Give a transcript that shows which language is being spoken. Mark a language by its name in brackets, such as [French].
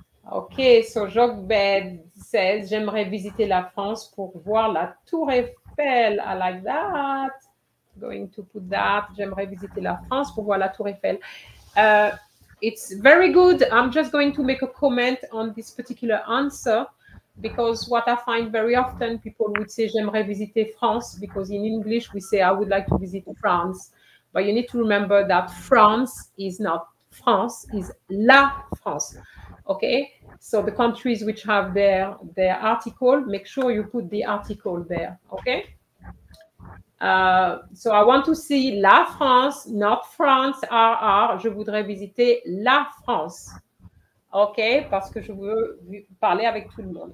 [English] Okay, so Jogbed says, [French] j'aimerais visiter la France pour voir la Tour Eiffel. [English] I like that. Going to put that. [French] J'aimerais visiter la France pour voir la Tour Eiffel. [English] It's very good. I'm just going to make a comment on this particular answer because what I find very often people would say, [French] j'aimerais visiter France, [English] because in English we say, I would like to visit France. But you need to remember that France is not France, is La France. Okay, so the countries which have their article, make sure you put the article there. Okay. So I want to see La France, not France. [French] RR, je voudrais visiter La France. Okay, parce que je veux parler avec tout le monde.